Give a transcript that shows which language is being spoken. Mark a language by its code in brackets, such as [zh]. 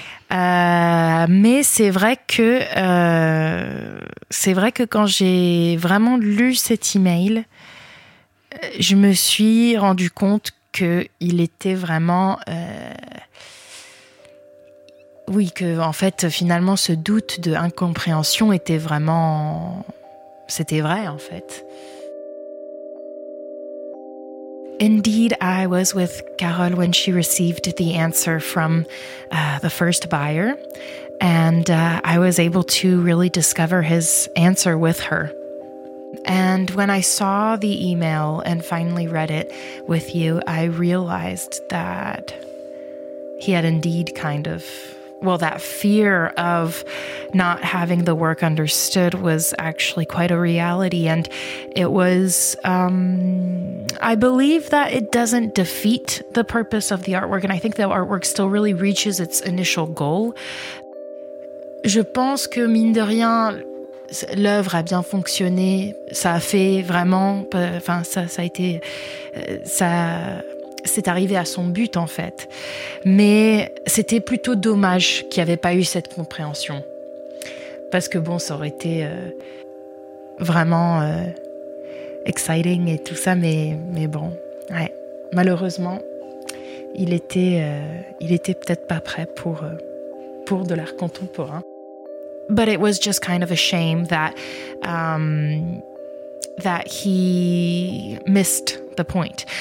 [fr] Mais c'est vrai que quand j'ai vraiment lu cet email, je me suis rendu compte que il était vraiment que en fait finalement ce doute de incompréhension était vraiment. C'était vrai, en fait. [en] Indeed, I was with Carole when she received the answer from the first buyer. And I was able to really discover his answer with her. And when I saw the email and finally read it with you, I realized that he had indeed kind of... Well, that fear of not having the work understood was actually quite a reality. And it was, I believe that it doesn't defeat the purpose of the artwork. And I think the artwork still really reaches its initial goal. [fr] Je pense que, mine de rien, l'œuvre a bien fonctionné. Ça a fait vraiment, enfin, ça a été, ça... C'est arrivé à son but, en fait. Mais c'était plutôt dommage qu'il n'y avait pas eu cette compréhension. Parce que bon, ça aurait été vraiment exciting et tout ça, mais bon, ouais. Malheureusement, il était peut-être pas prêt pour de l'art contemporain. [en] But it was just kind of a shame that he missed the point.